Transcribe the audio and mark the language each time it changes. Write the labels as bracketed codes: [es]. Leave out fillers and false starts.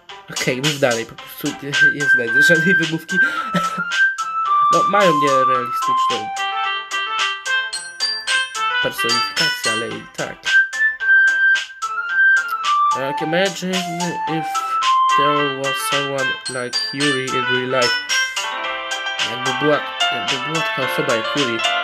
[pl] Okej, mów dalej, po prostu nie znajdę żadnej wymówki. No, mają nierealistyczną personifikację, ale i tak. [en] Like, imagine if there was someone like Yuri in real life. [pl] Jakby była taka osoba jak Yuri.